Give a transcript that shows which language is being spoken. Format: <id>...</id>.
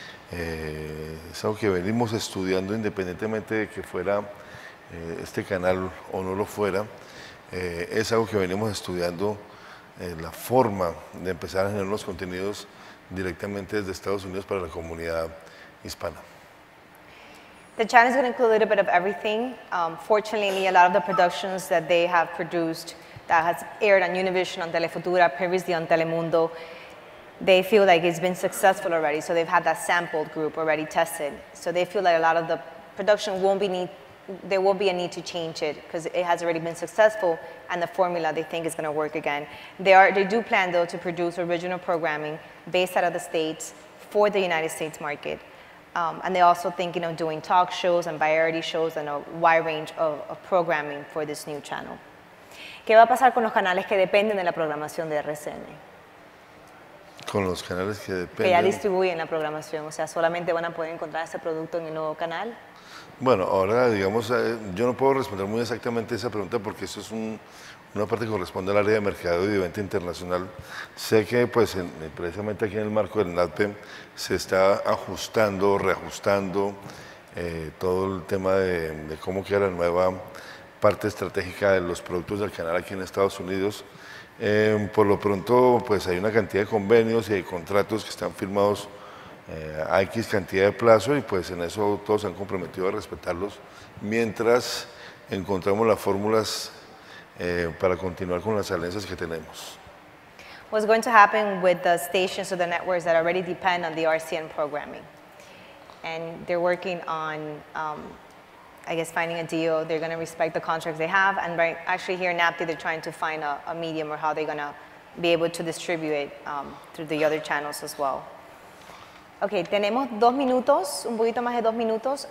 <es>Es algo que venimos estudiando independientemente de que fuera este canal o no lo fuera. Es algo que venimos estudiando, la forma de empezar a generar los contenidos directamente desde Estados Unidos para la comunidad hispana.</es> <en>The channel is going to include a little bit of everything. Fortunately, a lot of the productions that they have produced that has aired on Univision, on Telefutura, previously on Telemundo, they feel like it's been successful already. So they've had that sampled group already tested. So they feel like a lot of the production won't be need, there won't be a need to change it because it has already been successful and the formula they think is going to work again. They do plan though to produce original programming based out of the States for the United States market. And they're also thinking of doing talk shows and variety shows and a wide range of programming for this new channel.</en> <es>¿Qué va a pasar con los canales que dependen de la programación de RCN? Con los canales que dependen. Que ya distribuyen la programación, o sea, solamente van a poder encontrar ese producto en el nuevo canal. Bueno, ahora, digamos, yo no puedo responder muy exactamente esa pregunta porque eso es una parte que corresponde al área de mercado y de venta internacional. Sé que, pues, precisamente aquí en el marco del NATPE se está ajustando, reajustando todo el tema de cómo queda la nueva parte estratégica de los productos del canal aquí en Estados Unidos. Por lo pronto, pues, hay una cantidad de convenios y de contratos que están firmados a X cantidad de plazo y, pues, en eso todos se han comprometido a respetarlos mientras encontramos las fórmulas para continuar con las alianzas que tenemos.</es> <en>What's going to happen with the stations or the networks that already depend on the RCN programming? And they're working on, I guess, finding a deal. They're going to respect the contracts they have. And right, actually here in NAPTI, they're trying to find a medium or how they're going to be able to distribute it through the other channels as well.</en> <es>Okay, tenemos dos minutos, un poquito más de dos minutos.</es>